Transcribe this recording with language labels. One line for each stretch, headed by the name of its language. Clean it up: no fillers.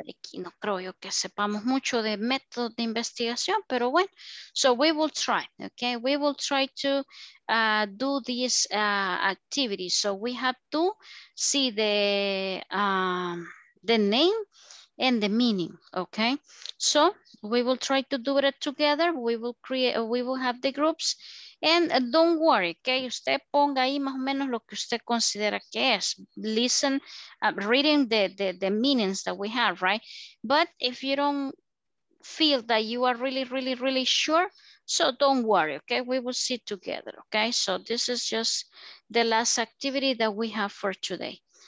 Spanish: Aquí no creo yo que sepamos mucho de método de investigación, pero bueno,
English: so we will try, ok. We will try to do this activity. So we have to see the name and the meaning, ok. So we will try to do it together. We will create, we will have the groups. And don't worry, okay?
Spanish: Usted ponga ahí más o menos lo que usted considera que es.
English: Listen, reading the meanings that we have, right? But if you don't feel that you are really, really, really sure, so don't worry, okay? We will sit together, okay? So this is just the last activity that we have for today.